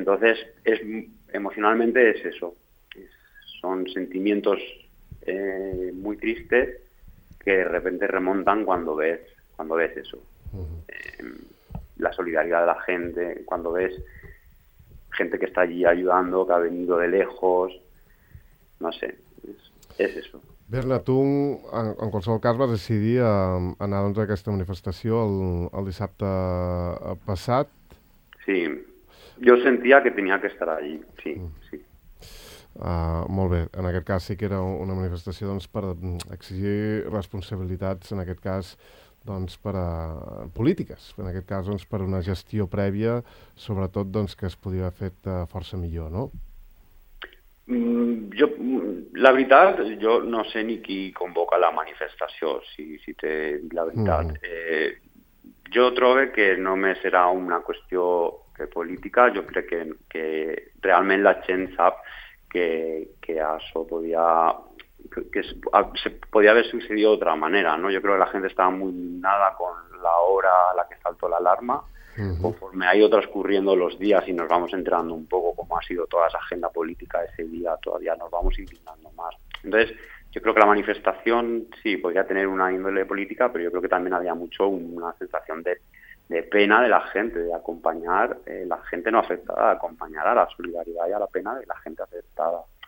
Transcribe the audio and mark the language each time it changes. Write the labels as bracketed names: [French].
[Spanish] Entonces, es emocionalmente es eso. Son sentimientos muy tristes que de repente remontan cuando ves eso. La solidaridad de la gente, cuando ves gente que está allí ayudando, que ha venido de lejos, no sé, [Catalan] és això. Berna, tu en qualsevol cas vas decidir anar doncs, a aquesta manifestació el dissabte passat. Sí, jo sentia que tenia que estar allí, sí. Molt bé, en aquest cas sí que era una manifestació doncs, per exigir responsabilitats, en aquest cas doncs per a polítiques, en aquest cas doncs per a una gestió prèvia, sobretot doncs que es podia haver fet força millor, no? Jo, la veritat, jo no sé ni qui convoca la manifestació, si té la veritat. Jo trobo que només serà una qüestió política, jo crec que realment la gent sap que això podia... [Spanish] se podía haber sucedido de otra manera, ¿no? Yo creo que la gente estaba muy indignada con la hora a la que saltó la alarma. Conforme hay otras ocurriendo los días y nos vamos enterando un poco cómo ha sido toda esa agenda política ese día, todavía nos vamos indignando más. Entonces, yo creo que la manifestación sí, podía tener una índole política, pero yo creo que también había mucho una sensación de pena de la gente, de acompañar la gente no afectada, de acompañar a la solidaridad y a la pena de la gente afectada.